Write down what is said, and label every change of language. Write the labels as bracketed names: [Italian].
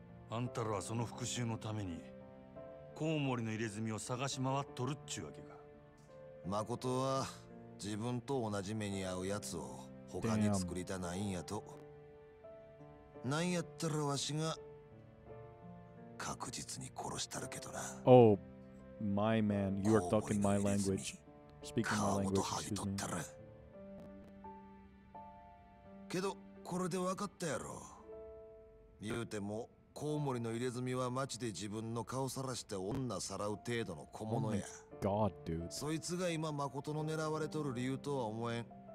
[Japanese] あんたらはその復讐のためにコウモリの入れ墨を探し回っとるっちゅうわけか。誠は自分と同じ目に遭うやつを他に作りたないんやと。なんやったらわしが確実に殺したるけどな。 [English] Oh, my man, you are talking my language. Speaking my language, excuse me. [Japanese] けどこれでわかったやろ。言うてもコウモリの入れ墨は街で自分の顔さらして女さらう程度の小物や。 [English] God, dude. [Japanese] そいつが今まことの狙われとる理由とは思えん。